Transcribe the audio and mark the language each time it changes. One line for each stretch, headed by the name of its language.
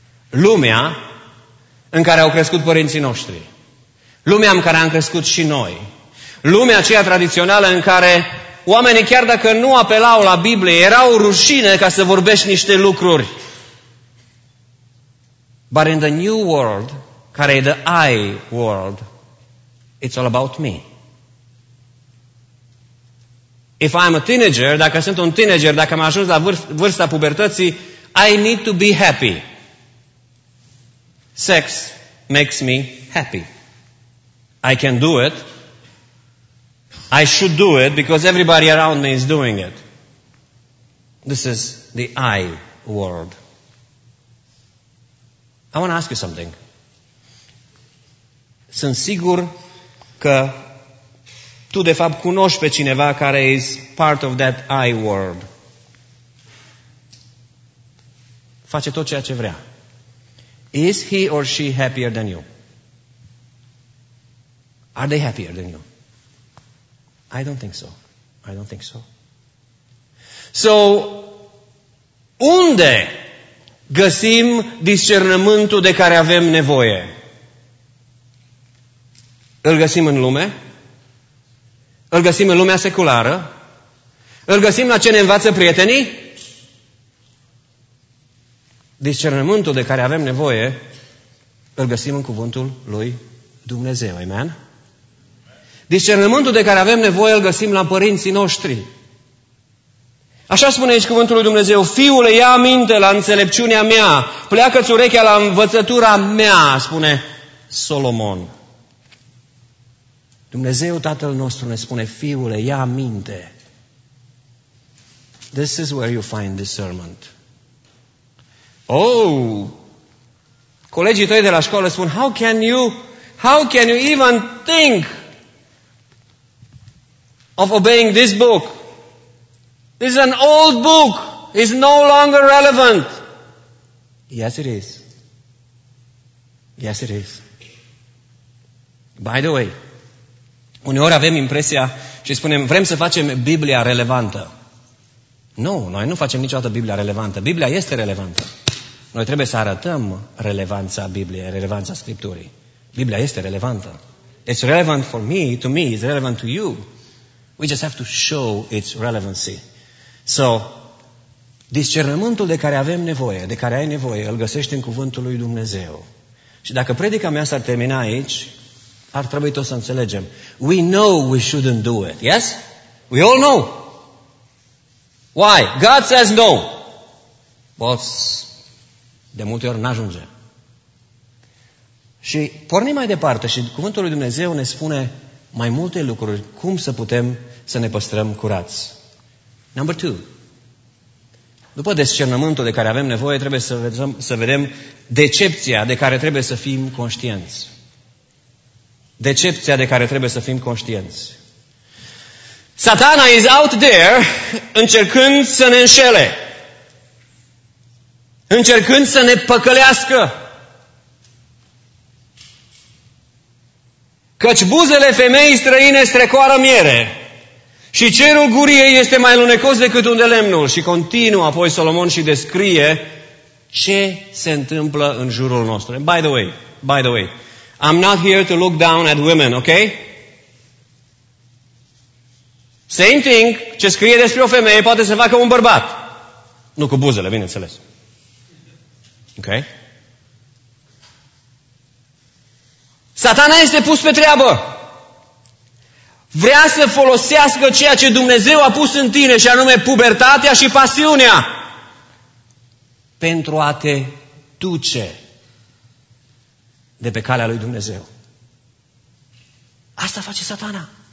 Romanian: Lumea în care au crescut părinții noștri. Lumea în care am crescut și noi. Lumea aceea tradițională în care oamenii, chiar dacă nu apelau la Biblie, erau rușine ca să vorbești niște lucruri.
English: But in the new world,
Romanian: care e
English: the I world, it's all about me. If I'm a teenager,
Romanian: dacă sunt un teenager, dacă am ajuns la vârsta pubertății,
English: I need to be happy. Sex makes me happy. I can do it. I should do it because everybody around me is doing it. This is the I world. I want to ask you something.
Romanian: Sunt sigur că tu, de fapt, cunoști pe cineva care
English: is part of that I world.
Romanian: Face tot ceea ce vrea.
English: Is he or she happier than you? Are they happier than you? I don't think so. I don't think so.
Romanian: So, unde găsim discernământul de care avem nevoie? Îl găsim în lume? Îl găsim în lumea seculară? Îl găsim la ce ne învață prietenii? Discernământul de care avem nevoie, îl găsim în cuvântul lui Dumnezeu. Amen? Discernământul de care avem nevoie, îl găsim la părinții noștri. Așa spune aici cuvântul lui Dumnezeu: Fiule, ia minte la înțelepciunea mea, pleacă-ți urechea la învățătura mea, spune Solomon. Dumnezeu Tatăl nostru ne spune: Fiule, ia minte.
English: This is where you find discernment. Oh!
Romanian: Colegii tăi de la școală spun:
English: How can you even think of obeying this book? This is an old book. It's no longer relevant. Yes, it is. Yes, it is. By the way,
Romanian: uneori avem impresia și spunem: vrem să facem Biblia relevantă. Nu, noi nu facem niciodată Biblia relevantă. Biblia este relevantă. Noi trebuie să arătăm relevanța Bibliei, relevanța Scripturii. Biblia este relevantă.
English: It's relevant for me, to me, it's relevant to you. We just have to show its relevancy.
Romanian: So, discernământul de care avem nevoie, de care ai nevoie, îl găsești în cuvântul lui Dumnezeu. Și dacă predica mea s-ar termina aici, ar trebui tot să înțelegem.
English: We know we shouldn't do it, yes? We all know. Why? God says no.
Romanian: Well, de multe ori n-ajunge. Și pornim mai departe și cuvântul lui Dumnezeu ne spune mai multe lucruri cum să putem să ne păstrăm curați.
English: Number two.
Romanian: După discernământul de care avem nevoie, trebuie să vedem decepția de care trebuie să fim conștienți. Decepția de care trebuie să fim conștienți. Satana
English: is out there
Romanian: încercând să ne înșele. Încercând să ne păcălească. Căci buzele femeii străine strecoară miere și cerul guriei este mai lunecos decât unde lemnul. Și continuă apoi Solomon și descrie ce se întâmplă în jurul nostru.
English: And by the way, I'm not here to look down at women, ok? Same thing,
Romanian: ce scrie despre o femeie poate să facă un bărbat. Nu cu buzele, bineînțeles. Ok? Satana este pus pe treabă. Vrea să folosească ceea ce Dumnezeu a pus în tine, și anume pubertatea și pasiunea, pentru a te duce de pe calea lui Dumnezeu. Asta face Satana.